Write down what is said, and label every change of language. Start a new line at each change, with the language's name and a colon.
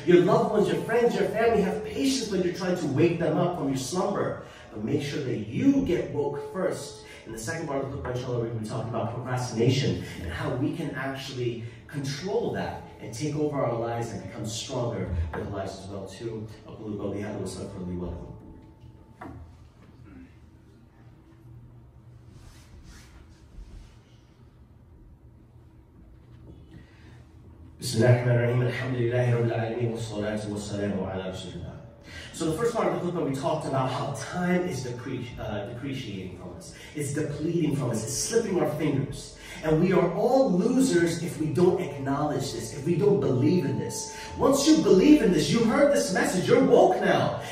English: Your loved ones, your friends, your family, have patience when you're trying to wake them up from your slumber. But make sure that you get woke first. In the second part of the book, inshallah, we're going to be talking about procrastination and how we can actually control that and take over our lives and become stronger with lives as well too.
Arabic: أقول قولي هذا وأستغفر لي ولكم. بسم الله الرحمن الرحيم الحمد لله رب العالمين والصلاة والسلام على رسول الله.
English: So the first part of the khutbah, we talked about how time is depreciating from us. It's depleting from us. It's slipping our fingers. And we are all losers if we don't acknowledge this, if we don't believe in this. Once you believe in this, you heard this message, you're woke now.